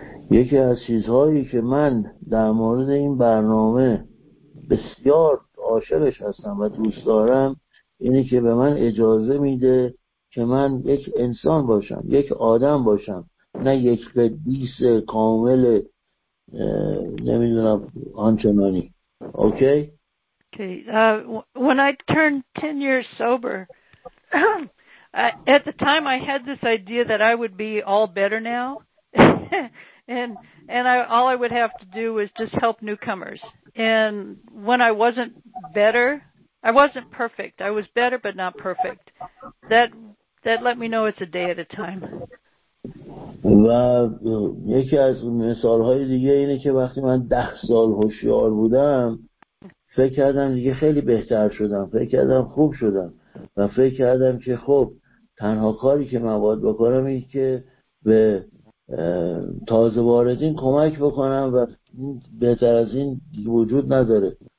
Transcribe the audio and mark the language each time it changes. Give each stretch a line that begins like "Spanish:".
Persian: یکی از چیزهایی که من در مورد این برنامه بسیار عاشقش هستم و دوست دارم اینه که به من اجازه میده که من یک انسان باشم، یک آدم باشم، نه یک قدیس کامل نمیدونم آنچنانی.
English: Okay? Okay. When I turned 10 years sober, at the time I had this idea that I would be all better now, and all I would have to do was just help newcomers. And when I wasn't better, I wasn't perfect. I was better, but not perfect. That let me know it's a day at a time.
Persian: و یکی از مثال‌های دیگه اینه که وقتی من 10 سال هوشیار بودم. فکر کردم دیگه خیلی بهتر شدم، فکر کردم خوب شدم و فکر کردم که خب تنها کاری که من باید بکنم این که به تازه واردین کمک بکنم و بهتر از این وجود نداره.